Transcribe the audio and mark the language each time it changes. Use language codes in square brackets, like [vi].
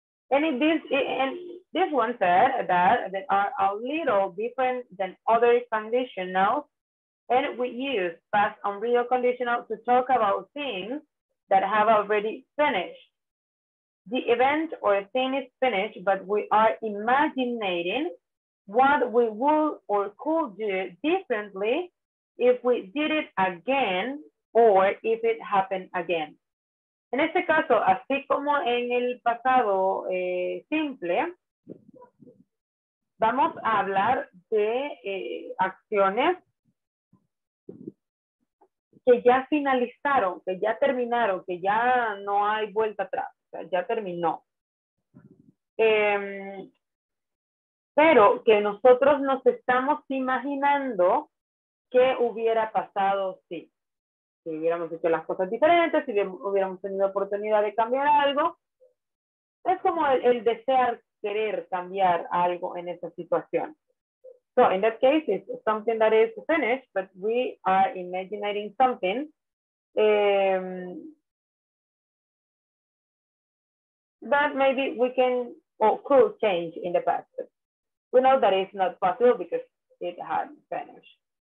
[en] And in this, and this one said that they are a little different than other conditionals, and we use past unreal conditional to talk about things that have already finished. The event or thing is finished, but we are imagining what we would or could do differently if we did it again or if it happened again. [es] En este caso, así como en el pasado simple, Vamos a hablar de acciones que ya finalizaron, que ya terminaron, que ya no hay vuelta atrás, o sea, ya terminó. Pero que nosotros nos estamos imaginando qué hubiera pasado si, si hubiéramos hecho las cosas diferentes, si hubiéramos tenido oportunidad de cambiar algo. Es como el desear, querer cambiar algo en esa situación. [en] So, in that case, it's something that is finished, but we are imagining something. That maybe we can or could change in the past. But we know that it's not possible because it hasn't finished.